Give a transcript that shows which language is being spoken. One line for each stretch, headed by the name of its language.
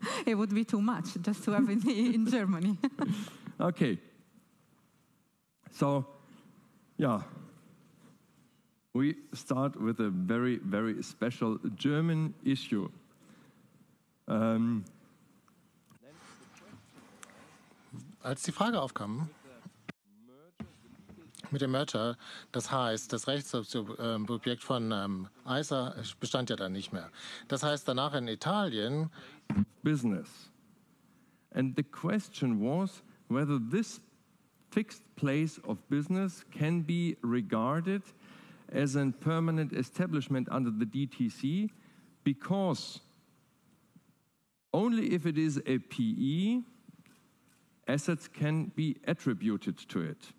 English: It would be too much just to have it in Germany. Okay. So, yeah. We start with a very, very special German issue.
German: Als die Frage aufkam, mit dem Merger, das heißt, das Rechtssubjekt von ISA bestand ja dann nicht mehr. Das heißt, danach in Italien...
English: Business. And the question was, whether this fixed place of business can be regarded as a permanent establishment under the DTC, because only if it is a PE, assets can be attributed to it.